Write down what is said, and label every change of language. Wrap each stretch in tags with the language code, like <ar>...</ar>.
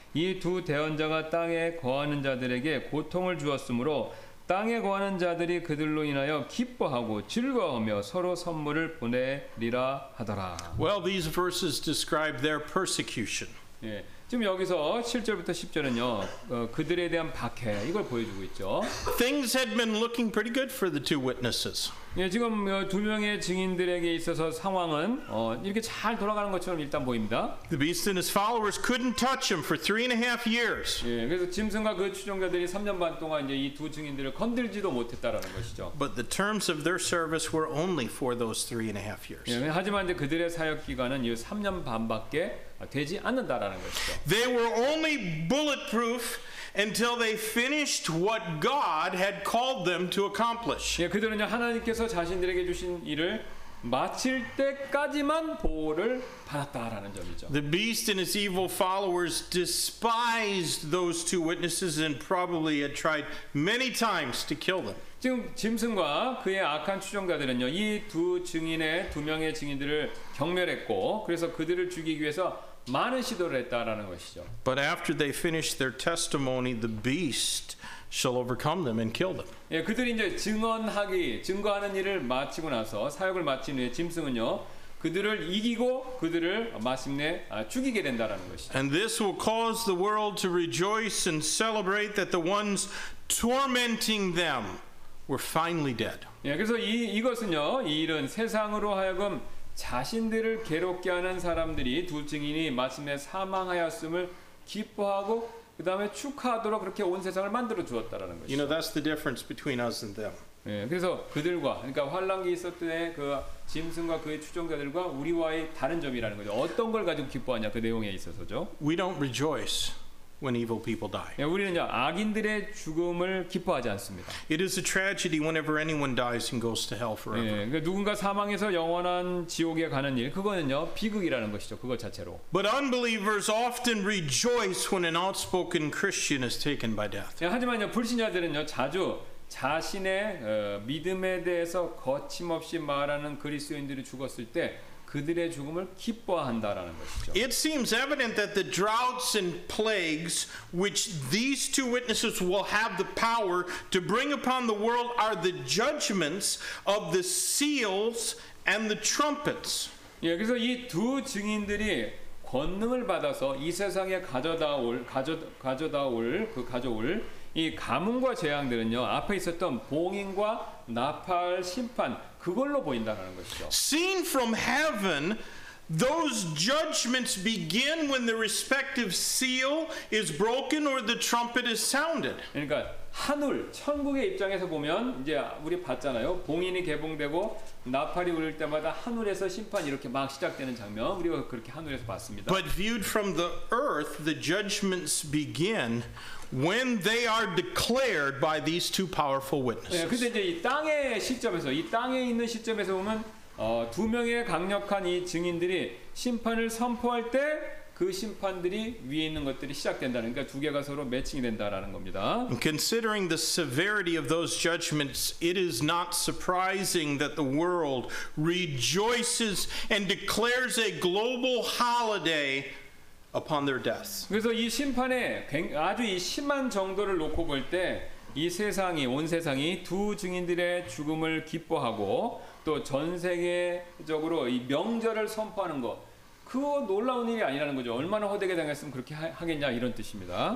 <ko>이 두 대언자가 땅에 거하는 자들에게 고통을 주었으므로 땅에 거하는 자들이 그들로 인하여 기뻐하고 즐거워하며 서로 선물을 보내리라 하더라.</ko> <en>Well, these verses describe their persecution.</en> <ko>예. 지금 여기서 7절부터 10절은요 그들에 대한 박해 이걸 보여주고 있죠.</ko> <en>Things had been looking pretty good for the two witnesses.</en> <ko>예, 지금 두 명의 증인들에게 있어서 상황은 이렇게 잘 돌아가는 것처럼 일단 보입니다.</ko> <en>The beast and his followers couldn't touch him for 3.5 years.</en> <ko>예, 그래서 짐승과 그 추종자들이 3년 반 동안 이제 이 두 증인들을 건들지도 못했다라는 것이죠.</ko> <en>But the terms of their service were only for those 3.5 years.</en> <ko>예, 하지만 이제 그들의 사역 기간은 이 3년 반밖에 되지 않는다라는 것이죠.</ko> <en>They were only bulletproof until they finished what God had called them to accomplish.</en> <ko>예, 그들은요 하나님께서 자신들에게 주신 일을 마칠 때까지만 보호를 받았다라는 점이죠.</ko> <en>The beast and his evil followers despised those two witnesses and probably had tried many times to kill them.</en> <ko>지금 짐승과 그의 악한 추종자들은요 이 두 증인의 두 명의 증인들을 경멸했고 그래서 그들을 죽이기 위해서 많은 시도를 했다라는 것이죠.</ko> <en>But after they finish their testimony, the beast shall overcome them and kill them.</en> <ko>예, 그들이 이제 증언하기, 증거하는 일을 마치고 나서 사역을 마친 후에 짐승은요 그들을 이기고 그들을 마침내 죽이게 된다라는 것이죠.</ko> <en>And this will cause the world to rejoice and celebrate that the ones tormenting them were finally dead.</en> <ko>예, 그래서 이것은요 이 일은 세상으로 하여금 자신들을 괴롭게 하는 사람들이 두 증인이 마침내 사망하였음을 기뻐하고 그 다음에 축하하도록 그렇게 온 세상을 만들어 주었다라는 것이죠.</ko> <en>You know, that's the difference between us and them.</en> <ko>예, 그래서 그들과 그러니까 환란기 있었던 그 짐승과 그의 추종자들과 우리와의 다른 점이라는 거죠. 어떤 걸 가지고 기뻐하냐 그 내용에 있어서죠.</ko> <en>We don't rejoice when evil people die.</en> <ko>예, 우리는요 악인들의 죽음을 기뻐하지 않습니다.</ko> <en>It is a tragedy whenever anyone dies and goes to hell forever.</en> <ko>예, 그러니까 누군가 사망해서 영원한 지옥에 가는 일, 그거는요 비극이라는 것이죠. 그거 자체로.</ko> <en>But unbelievers often rejoice when an outspoken Christian is taken by death.</en> <ko>예, 하지만요 불신자들은요 자주 자신의 믿음에 대해서 거침없이 말하는 그리스도인들이 죽었을 때. 그들의 죽음을 기뻐한다라는 것이죠.</ko> <en>It seems evident that the droughts and plagues which these two witnesses will have the power to bring upon the world are the judgments of the seals and the trumpets.</en> <ko>예, 그래서 이 두 증인들이 권능을 받아서 이 세상에 가져올 이 가뭄과 재앙들은요. 앞에 있었던 봉인과 나팔 심판 그걸로 보인다라는 것이죠.</ko> <en>Seen from heaven, those judgments begin when the respective seal is broken or the trumpet is sounded.</en> <ko>그러니까 하늘 천국의 입장에서 보면 이제 우리 봤잖아요. 봉인이 개봉되고 나팔이 울릴 때마다 하늘에서 심판이 이렇게 막 시작되는 장면 우리가 그렇게 하늘에서 봤습니다.</ko> <en>But viewed from the earth, the judgments begin when they are declared by these two powerful witnesses.</en> <ko>예, 근데 이제 이 땅의 시점에서 이 땅에 있는 시점에서 보면 두 명의 강력한 이 증인들이 심판을 선포할 때 그 심판들이 위에 있는 것들이 시작된다는 그러니까 두 개가 서로 매칭이 된다라는 겁니다.</ko> <en>Considering the severity of those judgments, it is not surprising that the world rejoices and declares a global holiday upon their deaths.</en> <ko>그래서 이 심판에 아주 이 심한 정도를 놓고 볼 때 이 세상이 온 세상이 두 증인들의 죽음을 기뻐하고 또 전 세계적으로 이 명절을 선포하는 거 그 놀라운 일이 아니라는 거죠. 얼마나 허되게 당했으면 그렇게 하겠냐 이런 뜻입니다.</ko>